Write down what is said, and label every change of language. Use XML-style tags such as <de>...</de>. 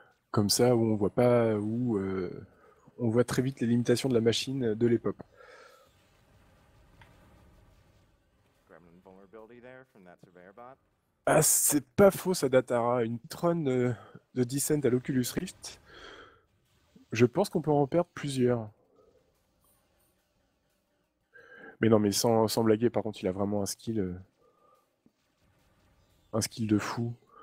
<fr>Comme ça, où on voit pas, où on voit très vite les limitations de la machine de l'époque.</fr> <en>Gremlin vulnerability there from that surveyor bot.</en> <fr>Ah, c'est pas faux, ça datera. Une trône de Descent à l'Oculus Rift. Je pense qu'on peut en perdre plusieurs. Mais non, mais sans blaguer, par contre, il a vraiment un skill de fou.</fr>